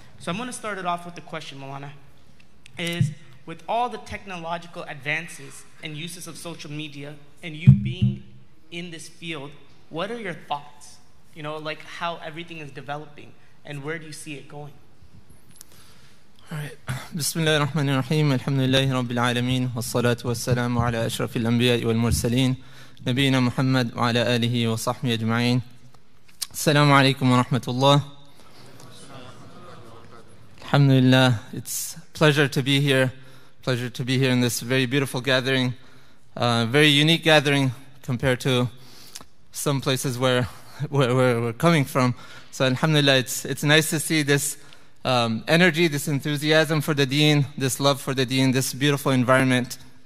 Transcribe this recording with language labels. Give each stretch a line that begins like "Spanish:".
English: So I'm gonna start it off with the question, Mulana, is with all the technological advances and uses of social media and you being in this field, what are your thoughts? You know, like how everything is developing and where do you see it going?
Arabic: بسم الله الرحمن الرحيم الحمد لله رب العالمين والصلاة والسلام على أشرف الأنبياء والمرسلين نبينا محمد وعلى آله وصحبه أجمعين السلام عليكم ورحمة الله الحمد لله.
English: It's a pleasure to be here in this very beautiful gathering, very unique gathering compared to some places where we're coming from. So alhamdulillah, it's nice to see this energy, this enthusiasm for the deen, this love for the deen, this beautiful environment.